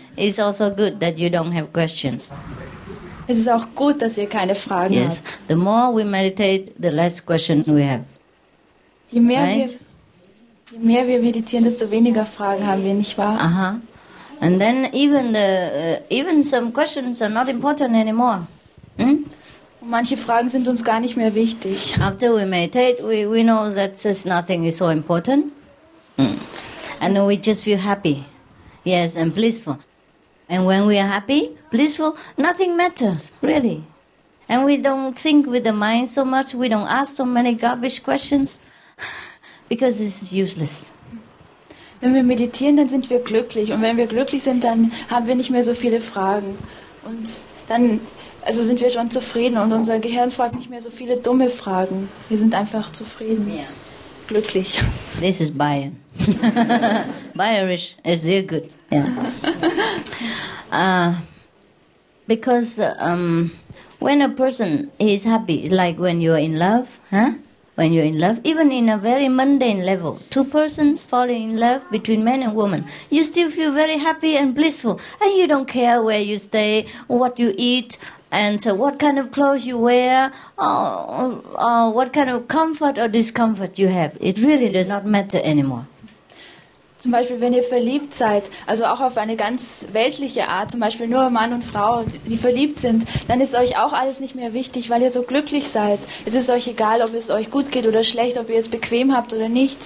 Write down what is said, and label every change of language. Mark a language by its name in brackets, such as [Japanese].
[English] It's also good that you don't have questions. [German] Es ist auch gut, dass ihr keine Fragen [English] yes. [German] habt. [English] The more we meditate, the less questions we have. [German] Je mehr wir meditieren, desto weniger Fragen haben wir, nicht wahr? Aha. Uh-huh. [English] And then even the even some questions are not important anymore. [German] Und manche Fragen sind uns gar nicht mehr wichtig. [English] After we meditate, we know that just nothing is so important. And then we just feel happy. Yes, and blissful. And when we are happy, blissful, nothing matters, really. And we don't think with the mind so much, we don't ask so many garbage questions, because it's useless. [German] Wenn wir meditieren, dann sind wir glücklich. Und wenn wir glücklich sind, dann haben wir nicht mehr so viele Fragen. Und dann also sind wir schon zufrieden und unser Gehirn fragt nicht mehr so viele dumme Fragen. Wir sind einfach zufrieden. [English] Yeah. [German] Glücklich. [English] This is Bayern. Bayerisch is [German] sehr gut. [English] Yeah. Because when a person is happy, like when you're in love, when you're in love, even in a very mundane level, two persons falling in love between man and woman, you still feel very happy and blissful, and you don't care where you stay, what you eat, and what kind of clothes you wear, or what kind of comfort or discomfort you have. It really does not matter anymore. [German] Zum Beispiel, wenn ihr verliebt seid, also auch auf eine ganz weltliche Art, zum Beispiel nur Mann und Frau, die verliebt sind, dann ist euch auch alles nicht mehr wichtig, weil ihr so glücklich seid. Es ist euch egal, ob es euch gut geht oder schlecht, ob ihr es bequem habt oder nicht.